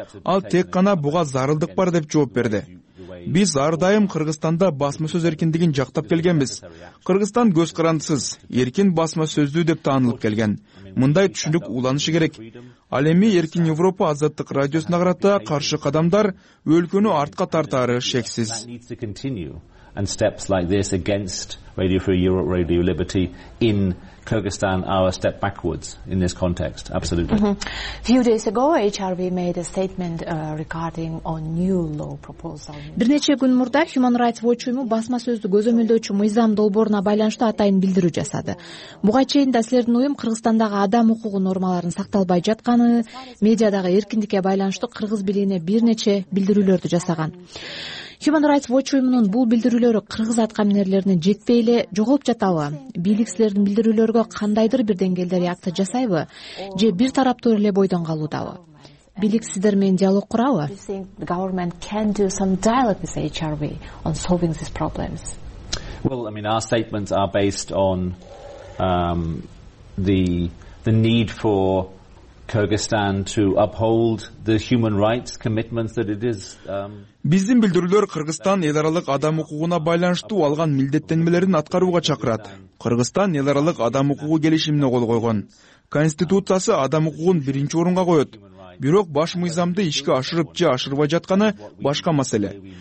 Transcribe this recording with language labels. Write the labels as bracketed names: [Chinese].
[Kyrgyz] Ал тек гана буга зарылдык бар деп жооп берди. Биз ар дайым Кыргызстанда басма сөз эркиндигин жактап келгенбиз. Кыргызстан көз карандысыз, эркин басма сөздүү деп таанылып келген. Мындай түшүнүк уланышы керек. Ал эми Эркин Европа Азаттык радиосуна карата каршы кадамдар өлкөнү артка тартары шексиз. [English] And steps like this against Radio Free Europe, Radio Liberty in Kyrgyzstan are a step backwards in this context, absolutely. Mm-hmm. Few days ago, HRV made a statement regarding a new law proposal. [Kyrgyz] Бир нече күн мурда Human Rights Watch уюму басма сөздү көзөмөлдөөчү мыйзам долбооруна байланыштуу атайын билдирүү жасады. Буга чейин да силердин уюм Кыргызстандагы адам укугу нормаларын сакталбай жатканы, медиадагы эркиндикке байланыштуу кыргыз билигине бир нече билдирүүлөрдү жасаган. Human Rights Watch уюмунун бул билдирүүлөрү кыргыз аткаминерлерине жетпей эле жоголуп жатабы? Бийлик силердин билдирүүлөргө кандайдыр бир деңгээлде реакция жасайбы? Же бир тараптуу эле бойдон калуудабы? Бийлик силер менен диалог курабы? [English] Do you think the government can do some dialogue with HRV on solving these problems? Well, I mean, our statements are based on the need for Kyrgyzstan to uphold the human rights commitments that it is [Kyrgyz] Биздин билдирүүлөр Кыргызстан эл аралык адам укугуна байланыштуу алган милдеттенмелерин аткарууга чакырат. Кыргызстан эл аралык адам укугу келишимине кол койгон. Конституциясы адам укугун биринчи орунга коет. Бирок баш мыйзамды ишке ашырып же ашырбай жатканы башка маселе.